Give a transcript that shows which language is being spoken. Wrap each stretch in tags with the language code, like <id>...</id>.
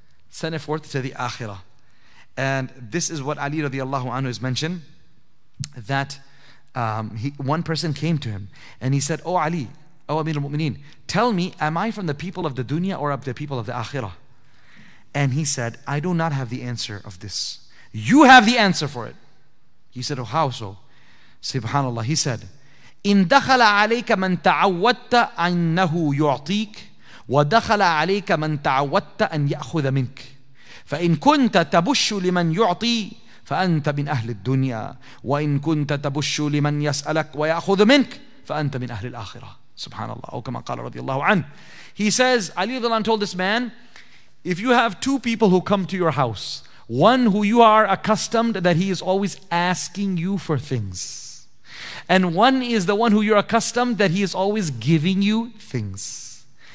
<en>Send it forth to the akhirah. And this is what Ali radiallahu anhu has mentioned, that one person came to him and he said, oh Ali, Oh, Amir al-Mu'mineen, tell me, am I from the people of the dunya or of the people of the akhirah? And he said, I do not have the answer of this. You have the answer for it. He said, oh, how so? Subhanallah. He said,</en> <ar>إِن دَخَلَ عَلَيْكَ مَن تَعَوَّدْتَ أَنَّهُ يُعْطِيكَ وَدَخَلَ عَلَيْكَ مَن تَعَوَّدْتَ أَن يَأْخُذَ مِنْكَ فَإِنْ كُنْتَ تَبُشُّ لِمَن يُعْطِي فَأَنْتَ مِنْ أَهْلِ الدُّنْيَا وَإِنْ كُنْتَ تَبُشُّ لِمَن يَسْأَلَكَ وَيَأْخُذُ مِنْكَ فَأَنْتَ مِنْ أَهْلِ الْآخِرَةِ Subhanallah. أو كما قال رضي الله عنه.</ar> <en>He says, Ali ibn told this man, if you have two people who come to your house, one who you are accustomed that he is always asking you for things, and one is the one who you're accustomed that he is always giving you things.</en>